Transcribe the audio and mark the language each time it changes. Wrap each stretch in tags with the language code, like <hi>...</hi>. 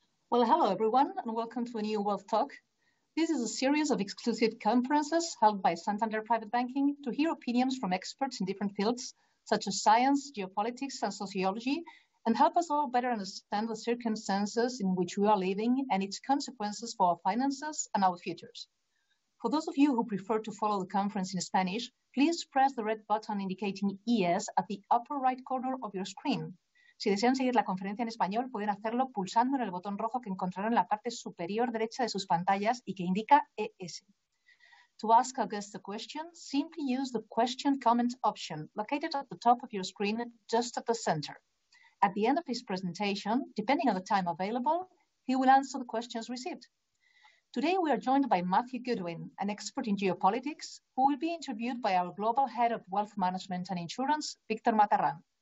<en>Well, hello everyone, and welcome to a new Wealth Talk. This is a series of exclusive conferences held by Santander Private Banking to hear opinions from experts in different fields, such as science, geopolitics, and sociology, and help us all better understand the circumstances in which we are living and its consequences for our finances and our futures. For those of you who prefer to follow the conference in Spanish, please press the red button indicating ES at the upper right corner of your screen.</en> <es>Si desean seguir la conferencia en español, pueden hacerlo pulsando en el botón rojo que encontrarán en la parte superior derecha de sus pantallas y que indica ES.</es> <en>To ask a guest a question, simply use the question comment option located at the top of your screen, just at the center. At the end of his presentation, depending on the time available, he will answer the questions received. Today we are joined by Matthew Goodwin, an expert in geopolitics, who will be interviewed by our global head of wealth management and insurance, Victor Matarrán.</en>